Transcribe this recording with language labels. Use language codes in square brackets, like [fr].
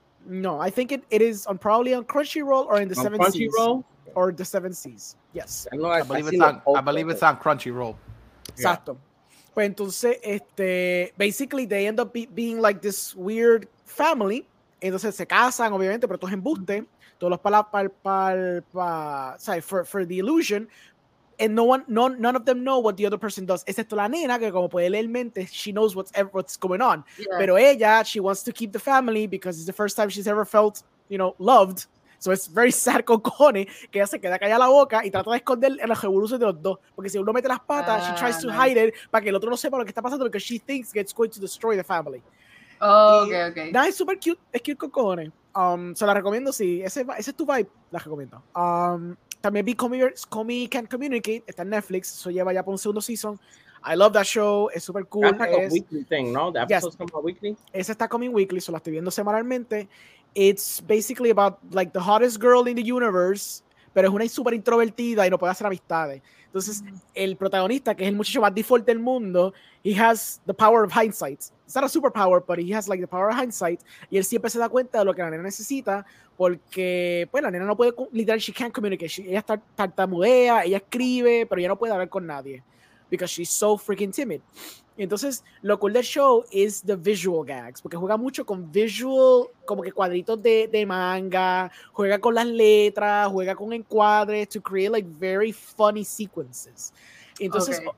[en] No, I think it is on probably on Crunchyroll or in the on Seven Crunchyroll? Seas. Or the Seven Seas. Yes. I believe it's on Crunchyroll. [es] Exacto. [en] Yeah. [es] Pues entonces, [en] basically they end up being like this weird family. [es] Entonces se casan, obviamente, pero todo es embuste. Todos los [en] for the illusion. And none of them know what the other person does. [es] Excepto la nena, que como puede leer mente, [en] she knows what's going on. Yeah. [es] Pero ella, [en] she wants to keep the family because it's the first time she's ever felt, you know, loved. So it's very sad [es] con cojones que ella se queda callada la boca y trata de esconder en los revoluciones de los dos. Porque si uno mete las patas, [en] she tries to hide it [es] para que el otro no sepa lo que está pasando [en] because she thinks it's going to destroy the family. Oh, okay. [es] Nah, es super cute. Es cute con cojones. Se la recomiendo, sí. Ese es tu vibe. La recomiendo. También vi Comey Can Communicate, está en Netflix, eso lleva ya por un segundo season. [en] I love that show, [es] es super cool. [en] That's like a weekly thing, no? The episodes come out weekly? [es] Ese está [en] coming weekly, [es] so la estoy viendo semanalmente. [en] It's basically about like the hottest girl in the universe, [es] pero es una super introvertida y no puede hacer amistades. Entonces, el protagonista, que es el muchacho más default del mundo, [en] he has the power of hindsight. It's not a superpower, but he has like the power of hindsight. [es] Y él siempre se da cuenta de lo que la nena necesita, porque, pues, la nena no puede, [en] literally, she can't communicate. [es] Ella está tartamudea, ella escribe, pero ella no puede hablar con nadie. [en] Because she's so freaking timid. [es] Y entonces, lo cool del show [en] is the visual gags, [es] porque juega mucho con visual, como que cuadritos de manga, juega con las letras, juega con encuadres, [en] to create, like, very funny sequences. [es] Entonces, okay.